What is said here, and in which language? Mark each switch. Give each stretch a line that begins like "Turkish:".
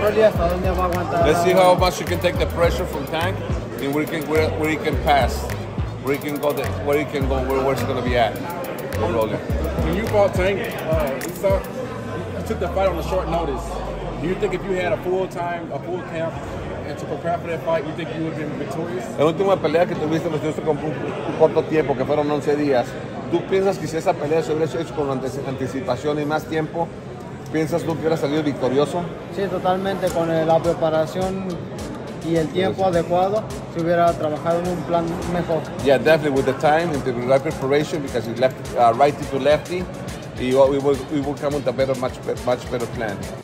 English: Let's see how much you can take the pressure from Tank, and where he can pass, where he can go, where it's gonna be at. When you fought Tank, you took the fight on a short notice. Do you think if you had a full camp?
Spanish: En la última pelea que tuviste, me tuviste con un corto tiempo, que fueron 11 días. ¿Tú piensas que si esa pelea se hubiera hecho con anticipación y más tiempo, piensas tú que hubiera salido victorioso? Sí, totalmente. Con la preparación y el tiempo adecuado, se hubiera trabajado en un plan mejor.
English: Yeah, definitely with the time and the right preparation, because you left righty to lefty, we will come with a much better plan.